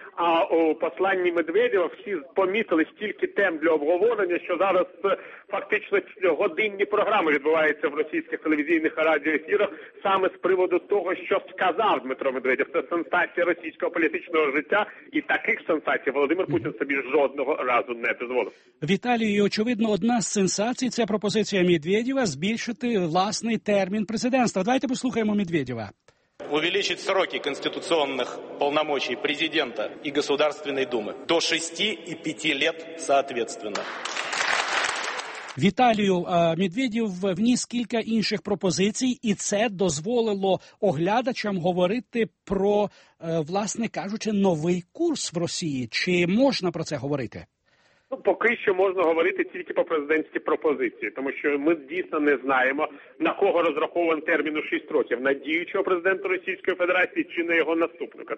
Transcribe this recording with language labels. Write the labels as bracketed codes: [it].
[uk] А у посланні Медведєва всі помітили стільки тем для обговорення, що зараз фактично годинні програми відбуваються в російських телевізійних радіоефірах саме з приводу того, що сказав Дмитро Медведєв. Це сенсація російського політичного життя, і таких сенсацій Володимир Путін собі жодного разу не дозволив. Віталію, очевидно, одна з сенсацій – це пропозиція Медведєва збільшити власний термін президентства. Давайте послухаємо Медведєва. [ru] Увеличить сроки конституционных полномочий президента и Государственной Думы до 6 и 5 лет соответственно. [uk] Віталію, Медведєв вніс кілька інших пропозицій, і це дозволило оглядачам говорити про, власне кажучи, новий курс в Росії. Чи можна про це говорити? Ну, поки що можна говорити тільки про президентські пропозиції, тому що ми дійсно не знаємо, на кого розрахований термін у 6 років, на діючого президента Російської Федерації чи на його наступника.